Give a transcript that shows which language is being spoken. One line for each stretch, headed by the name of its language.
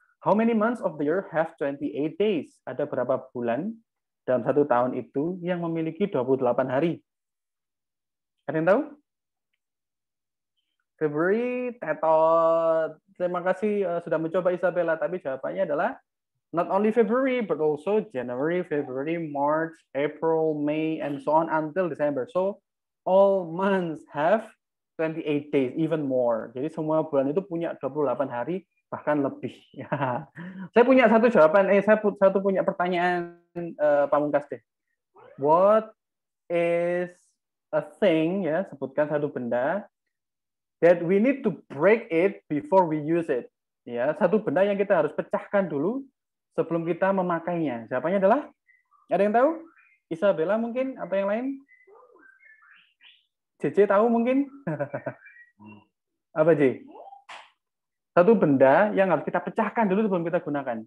English: How many months of the year have 28 days?
Indonesian: Ada berapa bulan dalam satu tahun itu yang memiliki 28 hari? Ada yang tahu?
English: February, tetot.
Indonesian: Terima kasih sudah mencoba Isabella, tapi jawabannya adalah
English: not only February, but also January, February, March, April, May, and so on until December. So, all months have 28 days, even more.
Indonesian: Jadi semua bulan itu punya 28 hari, bahkan lebih. Saya punya satu jawaban, punya pertanyaan Pamungkas deh.
English: What is a thing, ya,
Indonesian: sebutkan satu benda,
English: that we need to break it before we use it.
Indonesian: Ya, satu benda yang kita harus pecahkan dulu sebelum kita memakainya. Jawabannya adalah, ada yang tahu? Isabella mungkin, atau yang lain? JJ tahu mungkin? Apa, J? Satu benda yang harus kita pecahkan dulu sebelum kita gunakan.